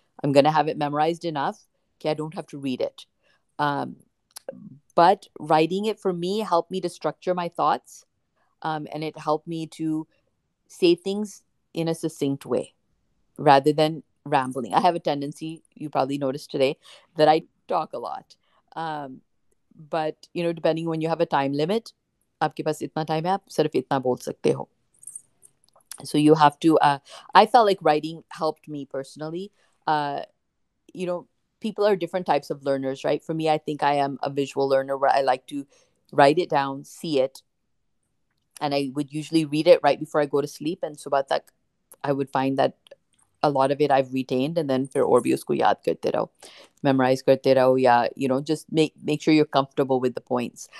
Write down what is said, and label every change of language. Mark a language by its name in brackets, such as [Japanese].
[English] I'm gonna have it memorized enough okay, I don't have to read it. But writing it for me helped me to structure my thoughts, and it helped me to say things in a succinct way rather than rambling. I have a tendency, you probably noticed today, that I talk a lot. But depending when you have a time limit, [Hindi] आपके पास इतना time है, आप सिर्फ इतना बोल सकते हो. [English] So you have to. I felt like writing helped me personally. People are different types of learners, right? For me, I think I am a visual learner where I like to write it down, see it, and I would usually read it right before I go to sleep. And so about that, I would find that a lot of it I've retained, and then for [Hindi] orbius ko yaad karte raho, [English] memorize karte raho, yeah, just make sure you're comfortable with the points.